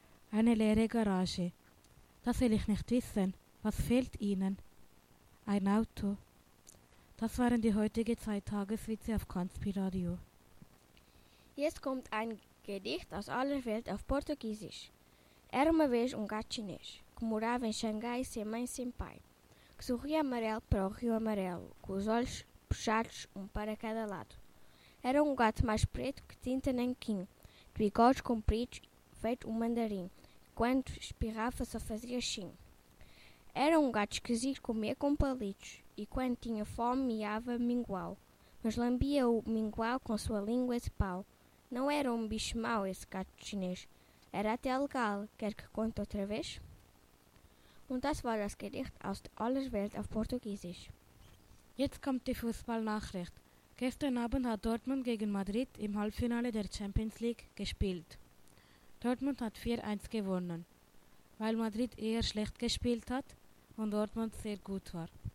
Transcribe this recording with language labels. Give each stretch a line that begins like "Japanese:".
German: Eine leere Garage. Das will ich nicht wissen. Was fehlt Ihnen? Ein Auto. Das waren die heutigen zwei Tageswitze auf Kanspi-Radio. Jetzt kommt ein Gedicht aus aller Welt auf Portugiesisch.
Portuguese: Erma vez um gatinejo, que morava em Xangai sem mãe e sem pai. Que sorria amarelo para o rio amarelo, com os olhos puxados um para cada lado. Era um gato mais preto que tinta nanquim, de bigode comprido feito um mandarim. Quando espirrava só fazia chim. Era um gato esquisito, comia com palitos, e quando tinha fome miava mingau, mas lambia o mingau com sua língua de pau. Não era um bicho mau esse gato chinês, era até legal, quer que conte outra vez?
German: Und das war das Gedicht aus der aller Welt auf Portugiesisch. Jetzt kommt die Fußballnachricht. Gestern Abend hat Dortmund gegen Madrid im Halbfinale der Champions League gespielt. Dortmund hat 4-1 gewonnen, weil Madrid eher schlecht gespielt hat und Dortmund sehr gut war.